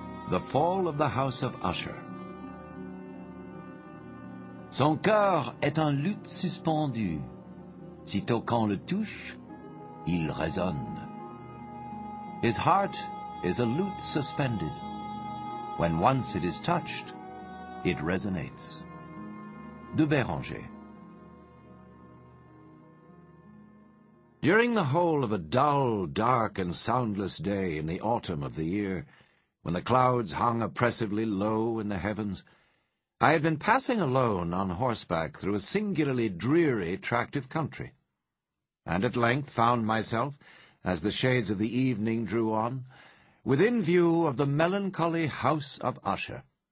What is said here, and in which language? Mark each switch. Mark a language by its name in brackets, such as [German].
[English] The Fall of the House of Usher. [French] Son cœur est un luth suspendu. Sitôt qu'on le touche, il résonne. [English] His heart is a lute suspended. When once it is touched, it resonates. De Béranger. During the whole of a dull, dark, and soundless day in the autumn of the year, when the clouds hung oppressively low in the heavens, I had been passing alone on horseback through a singularly dreary tract of country, and at length found myself, as the shades of the evening drew on, within view of the melancholy House of Usher.